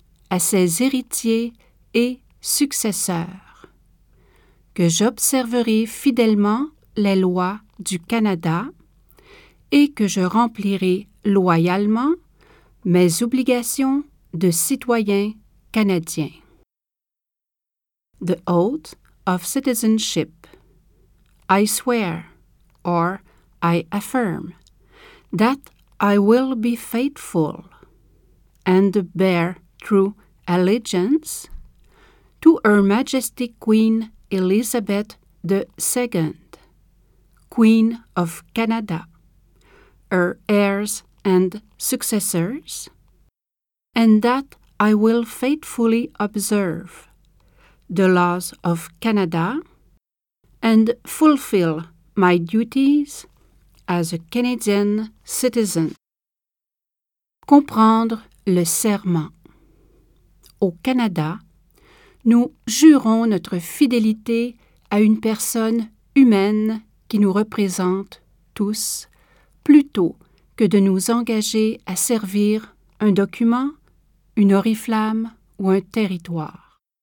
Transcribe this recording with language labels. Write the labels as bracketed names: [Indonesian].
[French] à ses héritiers et successeurs, que j'observerai fidèlement les lois du Canada et que je remplirai loyalement mes obligations de citoyen canadien. [English] The Oath of Citizenship. I swear, or I affirm, that I will be faithful and bear true allegiance to Her Majesty Queen Elizabeth II, Queen of Canada, her heirs and successors, and that I will faithfully observe the laws of Canada and fulfill my duties as a Canadian citizen. [French] Comprendre le serment. Au Canada, nous jurons notre fidélité à une personne humaine qui nous représente tous, plutôt que de nous engager à servir un document, une oriflamme ou un territoire.